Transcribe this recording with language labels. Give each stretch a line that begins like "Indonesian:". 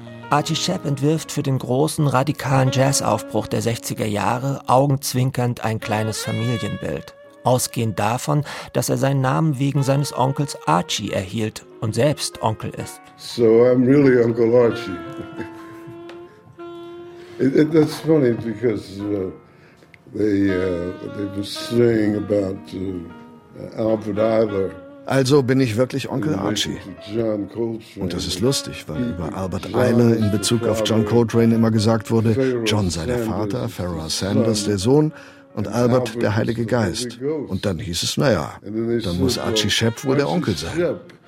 German: Archie Shepp entwirft für den großen, radikalen Jazzaufbruch der 60er Jahre augenzwinkernd ein kleines Familienbild. Ausgehend davon, dass er seinen Namen wegen seines Onkels Archie erhielt und selbst Onkel ist.
English: So I'm really Uncle Archie. That's funny because they were saying about Alfred Adler.
German: Also bin ich wirklich Onkel Archie. Und das ist lustig, weil über Albert Eiler in Bezug auf John Coltrane immer gesagt wurde, John sei der Vater, Pharaoh Sanders der Sohn und Albert der Heilige Geist. Und dann hieß es, naja, dann muss Archie Shepp wohl der Onkel sein.